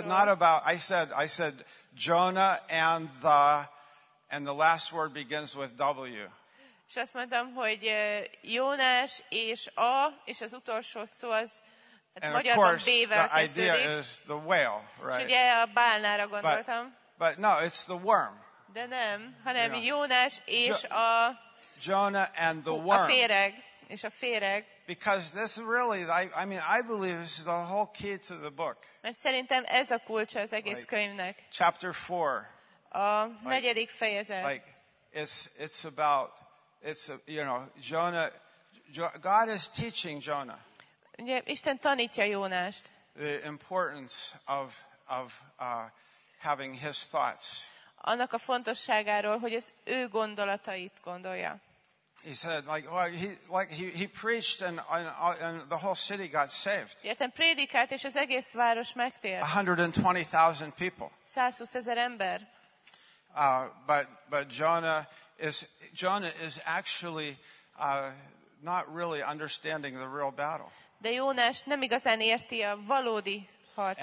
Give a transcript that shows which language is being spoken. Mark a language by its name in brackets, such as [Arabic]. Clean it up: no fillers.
[English] But not about I said Jonah and the last word begins with W. [Hungarian] És azt mondtam, hogy Jónás és a, és az utolsó szó az and magyarban B-vel kezdődik. [English] And of course, the idea is the whale, right? [Hungarian] És ugye a bálnára gondoltam. [English] But no, it's the worm. [Hungarian] De nem, hanem Jónás és a... [English] Jonah and the worm. [Hungarian] A féreg és a féreg. [English] Because this really, I mean, I believe this is the whole key to the book. [Hungarian] Mert szerintem ez a kulcs az egész könyvnek. [English] Chapter 4. [Hungarian] A negyedik fejezet. [English] Like, it's about, it's a, you know, Jonah, God is teaching Jonah. [Hungarian] Ugye, Isten tanítja Jónást. [English] The importance of having his thoughts. [Hungarian] Annak a fontosságáról, hogy az ő gondolatait gondolja. [English] He said, like, well, he preached and the whole city got saved. 120,000 people. [Hungarian] 120,000 ember. [English] But Jonah is actually not really understanding the real battle. [Hungarian] De Jónás nem igazán érti a valódi harcot.